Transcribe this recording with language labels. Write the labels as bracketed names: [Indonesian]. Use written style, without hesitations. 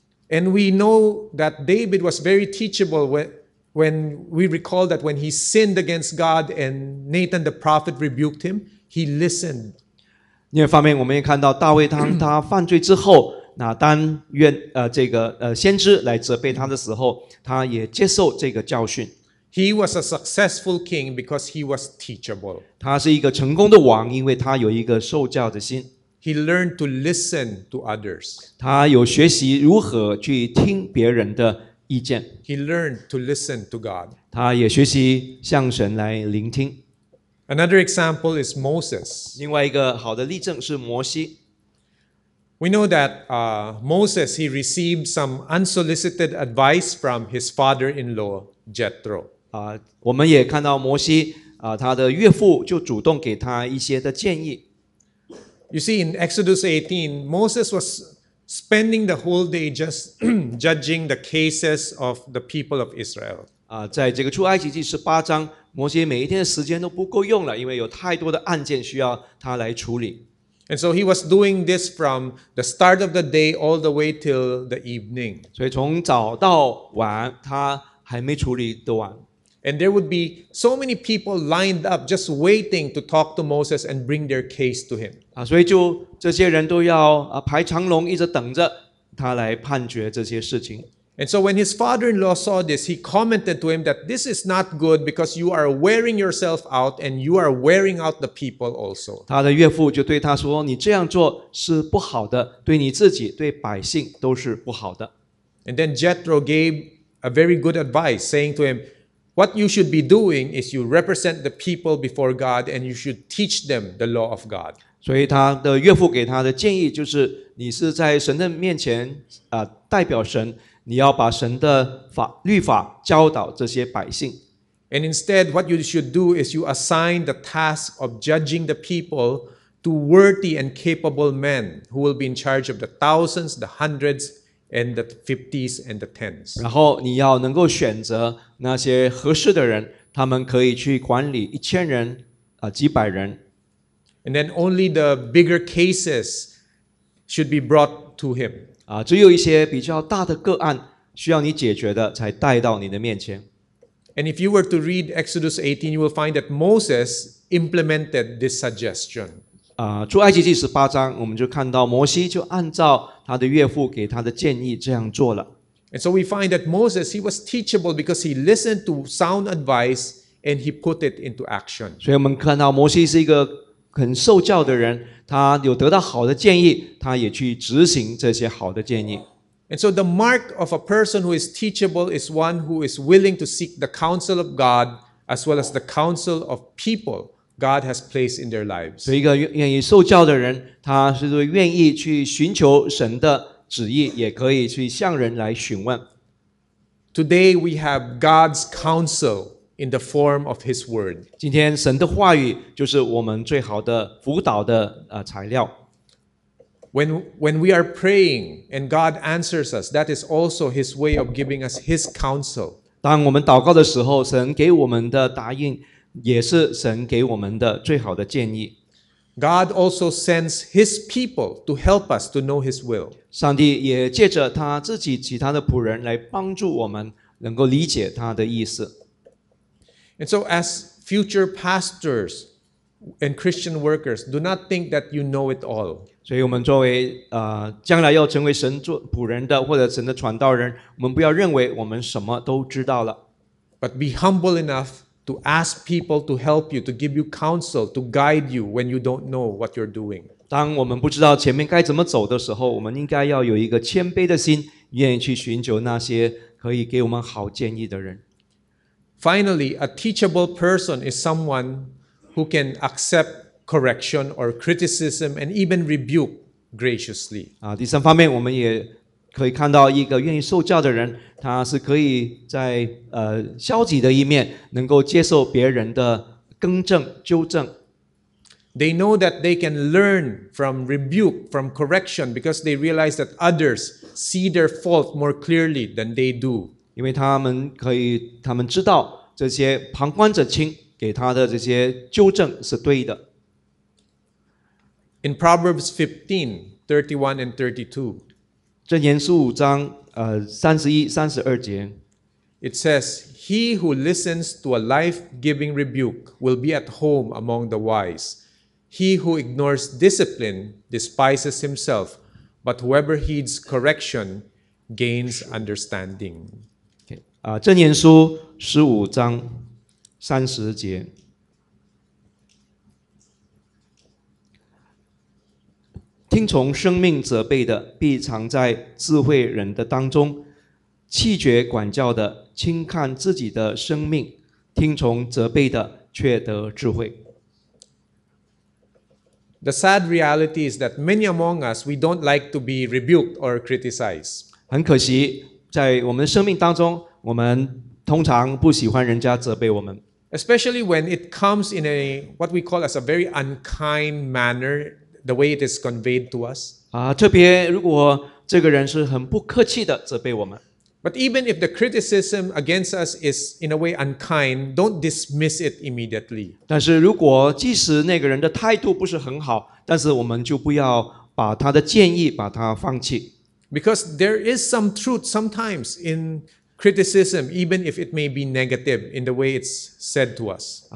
[English] And we know that David was very teachable when we recall that when he sinned against God and Nathan the prophet rebuked him, he listened. [Chinese] 另一方面，我们也看到大卫当他犯罪之后，那当愿先知来责备他的时候，他也接受这个教训。 [English] He was a successful king because he was teachable. [Chinese] 他是一个成功的王，因为他有一个受教的心。 [English] He learned to listen to others. [Chinese] 他有学习如何去听别人的意见。 [English] He learned to listen to God. [Chinese] 他也学习向神来聆听。 [English] Another example is Moses. [Chinese] 另外一个好的例证是摩西。 [English] We know that Moses, he received some unsolicited advice from his father-in-law, Jethro. [Chinese] 我们也看到摩西他的岳父就主动给他一些的建议。 [English] You see, in Exodus 18, Moses was spending the whole day just judging the cases of the people of Israel. [Chinese] 在这个出埃及记十八章，摩西每一天的时间都不够用了，因为有太多的案件需要他来处理。 [English] And so he was doing this from the start of the day all the way till the evening. [Chinese] 所以从早到晚，他还没处理的完。 [English] And there would be so many people lined up just waiting to talk to Moses and bring their case to him. [Chinese] 所以就这些人都要排长龙，一直等着他来判决这些事情。 [English] And so when his father-in-law saw this, he commented to him that this is not good because you are wearing yourself out and you are wearing out the people also. [Chinese] 他的岳父就对他说，你这样做是不好的，对你自己，对百姓都是不好的。 [English] And then Jethro gave a very good advice, saying to him, what you should be doing is you represent the people before God and you should teach them the law of God. [Chinese] 所以他的岳父给他的建议就是，你是在神的面前代表神，你要把神的法律法教导这些百姓。 [English] And instead, what you should do is you assign the task of judging the people to worthy and capable men who will be in charge of the thousands, the hundreds, and the fifties and the tens. [Chinese] 然后你要能够选择那些合适的人，他们可以去管理一千人、几百人。 [English] And then only the bigger cases should be brought to him. [Chinese] 只有一些比较大的个案需要你解决的才带到你的面前。 [English] And if you were to read Exodus 18, you will find that Moses implemented this suggestion. [Chinese] 出埃及记十八章，我们就看到摩西就按照他的岳父给他的建议这样做了。 [English] And so we find that Moses, he was teachable because he listened to sound advice and he put it into action. [Chinese] 所以我们看到摩西是一个很受教的人，他有得到好的建议，他也去执行这些好的建议。 [English] And so the mark of a person who is teachable is one who is willing to seek the counsel of God as well as the counsel of people God has placed in their lives. [Chinese] 所以一个愿意受教的人，他是愿意去寻求神的旨意，也可以去向人来询问。 [English] Today we have God's counsel in the form of His Word. [Chinese] 今天神的话语就是我们最好的辅导的材料。 [English] When we are praying and God answers us, that is also His way of giving us His counsel. [Chinese] 当我们祷告的时候，神给我们的答应，也是神给我们的最好的建议。 [English] God also sends His people to help us to know His will. [Chinese] 上帝也借着他自己其他的仆人来帮助我们，能够理解他的意思。 [English] And so as future pastors and Christian workers, do not think that you know it all. [Chinese] 所以我们作为将来要成为神做仆人的或者神的传道人，我们不要认为我们什么都知道了。 [English] But be humble enough to ask people to help you, to give you counsel, to guide you when you don't know what you're doing. [Chinese] 当我们不知道前面该怎么走的时候，我们应该要有一个谦卑的心，愿意去寻求那些可以给我们好建议的人。 [English] Finally, a teachable person is someone who can accept correction or criticism and even rebuke graciously. [Chinese] 第三方面，我们也可以看到一个愿意受教的人，他是可以在消极的一面能够接受别人的更正纠正。 [English] They know that they can learn from rebuke, from correction, because they realize that others see their fault more clearly than they do. [Chinese] 因为他们知道这些旁观者清给他的这些纠正是对的。 [English] In Proverbs 15:31 and 32, [Chinese] 箴言十五章三十一、三十二节 [English] ，It says, "He who listens to a life-giving rebuke will be at home among the wise. He who ignores discipline despises himself, but whoever heeds correction gains understanding." [Chinese] 箴言书十五章三十节，听从生命责备的必藏在智慧人的当中，弃绝管教的轻看自己的生命，听从责备的却得智慧。 [English] The sad reality is that many among us we don't like to be rebuked or criticized. [Chinese] 很可惜，在我们的生命当中，我们通常不喜欢人家责备我们。 [English] Especially when it comes in a what we call as a very unkind manner, the way it is conveyed to us. [Chinese] 特别如果这个人是很不客气的责备我们。 [English] But even if the criticism against us is in a way unkind, don't dismiss it immediately. [Chinese] 但是如果即使那个人的态度不是很好，但是我们就不要把他的建议把他放弃。 [English] Because there is some truth sometimes in criticism, even if it may be negative in the way it's said to us.